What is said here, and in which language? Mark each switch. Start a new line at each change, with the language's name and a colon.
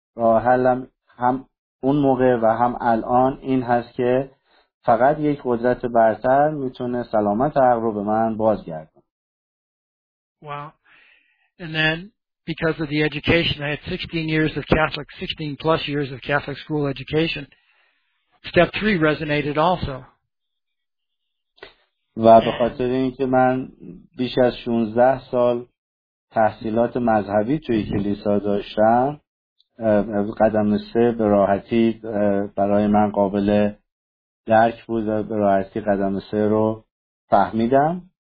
Persian: راه حلم هم اون موقع و هم الان این هست که فقط یک قدرت برتر میتونه سلامت عقل رو به من بازگردونه.
English: Wow. And then because of the education, I had 16 plus years of Catholic school education. Step 3 resonated also.
Persian: و به خاطر اینکه من بیش از 16 سال تحصیلات مذهبی توی کلیسا داشتم، قدم 3 به راحتی برای من قابل درک بود و به راحتی قدم 3 رو فهمیدم.